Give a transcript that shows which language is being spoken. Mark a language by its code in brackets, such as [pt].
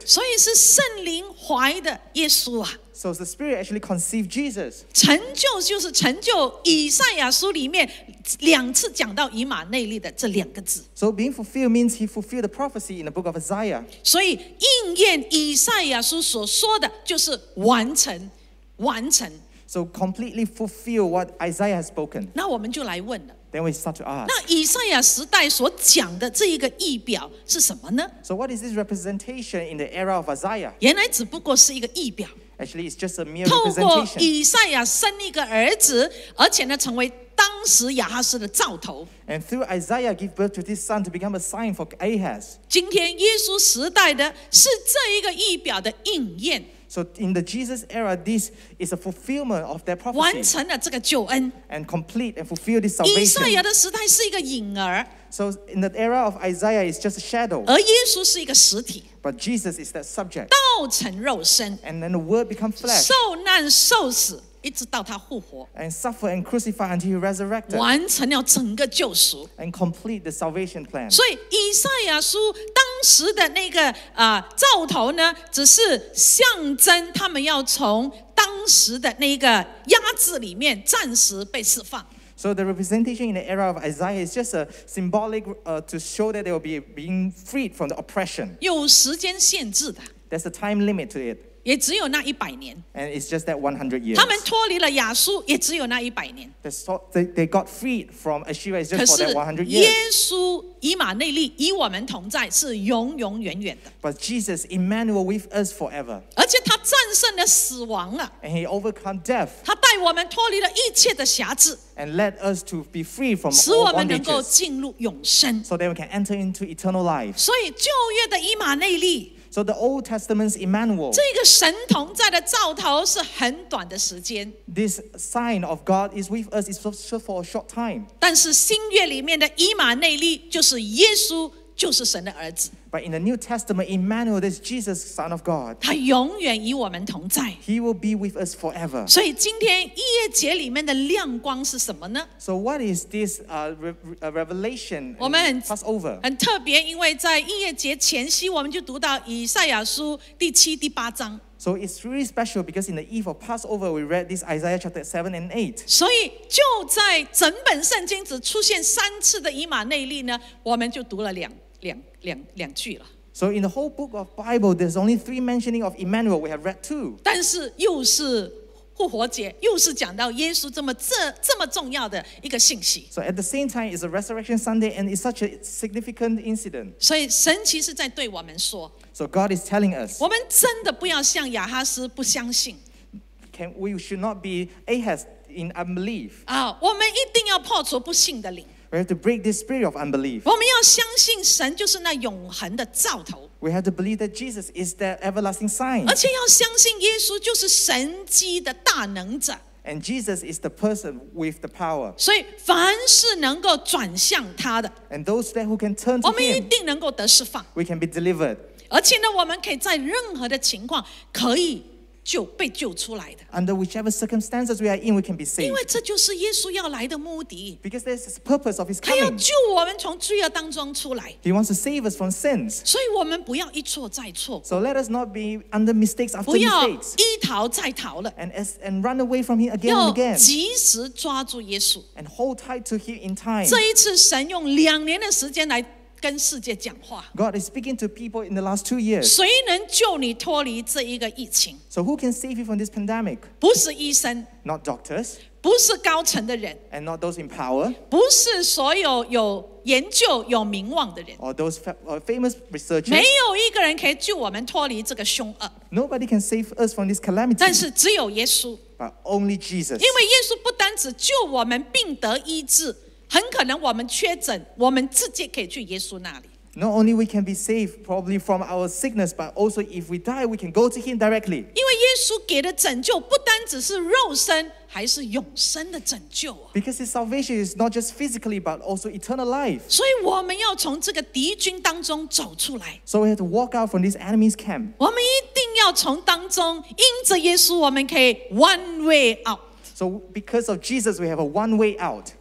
[zh] 所以是圣灵怀的耶稣啊。 [en] So the Spirit actually conceived Jesus. [zh] 成就就是成就以赛亚书里面两次讲到以马内利的这两个字。 [en] So being fulfilled means he fulfilled the prophecy in the book of Isaiah. [zh] 所以应验以赛亚书所说的就是完成，完成。 [en] So completely fulfill what Isaiah has spoken. [zh] 那我们就来问了。 [en] Then we start to ask. [zh] 那以赛亚时代所讲的这一个意表是什么呢 [en] ？So what is this representation in the era of Isaiah? [zh] 原来只不过是一个意表。 [en] Actually, it's just a mere representation. [zh] 透过以赛亚生一个儿子，而且呢成为当时亚哈斯的兆头。 [en] And through Isaiah, give birth to this son to become a sign for Ahaz. [zh] 今天耶稣时代的是这一个意表的应验。 [en] So in the Jesus era, this is a fulfillment of that prophecy. [zh] 完成了这个救恩。 [en] And complete and fulfill this salvation. [zh] 以赛亚的时代是一个影儿。 [en] So in the era of Isaiah, it's just a shadow. [zh] 而耶稣是一个实体。 [en] But Jesus is that subject. [zh] 道成肉身。 [en] And then the Word become flesh. [zh] 受难受死，一直到他复活。 [en] And suffer and crucify until he resurrected. [zh] 完成了整个救赎。 [en] And complete the salvation plan. [zh] 所以以赛亚书当时的那个兆头呢，只是象征他们要从当时的那个压制里面暂时被释放。 [en] So the representation in the era of Isaiah is just a symbolic to show that they will be being freed from the oppression. [zh] 有时间限制的。 [en] There's a time limit to it. [zh] 也只有那一百年。 [en] And it's just that 100 years. [zh] 他们脱离了亚述，也只有那一百年。 [en] They got freed from Assyria just for that 100 years. [zh] 耶稣以马内利与我们同在，是永永远远的。 [en] But Jesus Emmanuel with us forever. [zh] 而且他战胜了死亡了。 [en] And he overcame death. [zh] 他带我们脱离了一切的辖制。 [en] And let us to be free from all [zh] bondages. 使我们能够进入永生。 [en] So that we can enter into eternal life. [zh] 所以旧约的以马内利。 [en] So the Old Testament's Emmanuel. [zh] 这个神同在的兆头是很短的时间。 [en] This sign of God is with us is just for a short time. [zh] 但是新约里面的以马内利就是耶稣，就是神的儿子。 [en] But in the New Testament, Emmanuel is Jesus, Son of God. [zh] 他永远与我们同在。 [en] He will be with us forever. [zh] 所以今天逾越节里面的亮光是什么呢 [en] ？So what is this revelation? [zh] 我们 [en] Passover [zh] 很特别，因为在逾越节前夕，我们就读到以赛亚书第七、第八章。 [en] So it's really special because in the eve of Passover, we read this Isaiah chapter 7 and 8. [zh] 所以就在整本圣经只出现三次的以马内利呢，我们就读了两句了。 [en] So in the whole book of Bible, there's only three mentioning of Emmanuel. We have read two. [zh] 但是又是复活节，又是讲到耶稣这么重要的一个信息。 [en] So at the same time, it's a Resurrection Sunday, and it's such a significant incident. [zh] 所以神其实在对我们说。 [en] So God is telling us. [zh] 我们真的不要像亚哈斯不相信。 [en] Can we should not be Ahaz in unbelief? [zh] 啊，我们一定要破除不信的灵。 [en] We have to break this spirit of unbelief. [zh] 我们要相信神就是那永恒的兆头。 [en] We have to believe that Jesus is the everlasting sign. [zh] 而且要相信耶稣就是神迹的大能者。 [en] And Jesus is the person with the power. [zh] 所以凡是能够转向他的 [en] ，And those that who can turn to him, [zh] 我们一定能够得释放。 [en] We can be delivered. [zh] 而且呢，我们可以在任何的情况可以就被救出来的。 [en] Under whichever circumstances we are in, we can be saved. [zh] 因为这就是耶稣要来的目的。 [en] Because there's the purpose of his coming. [zh] 他要救我们从罪恶当中出来。 [en] He wants to save us from sins. [zh] 所以我们不要一错再错。 [en] So let us not be under mistakes after mistakes. [zh] 不要一逃再逃了。 [en] And run away from him again and again. [zh] 要及时抓住耶稣。 [en] And hold tight to him in time. [zh] 这一次神用两年的时间来跟世界讲话。 [en] God is speaking to people in the last 2 years. [zh] 谁能救你脱离这一个疫情？ [en] So who can save you from this pandemic? [zh] 不是医生， [en] not doctors. [zh] 不是高层的人， [en] and not those in power. [zh] 不是所有有研究有名望的人， [en] or those famous researchers. [zh] 没有一个人可以救我们脱离这个凶恶。 [en] Nobody can save us from this calamity. [zh] 但是只有耶稣， [en] but only Jesus. [zh] 因为耶稣不单只救我们病得医治。很可能我们确诊，我们直接可以去耶稣那里。 [en] Not only we can be saved probably from our sickness, but also if we die, we can go to him directly. [zh] 因为耶稣给的拯救不单只是肉身，还是永生的拯救。 [en] Because his salvation is not just physically, but also eternal life. [zh] 所以我们要从这个敌军当中走出来。 [en] So we have to walk out from this enemy's camp. [zh] 我们一定要从当中，因着耶稣，我们可以 [en] one way out. So because of Jesus, we have a one way out.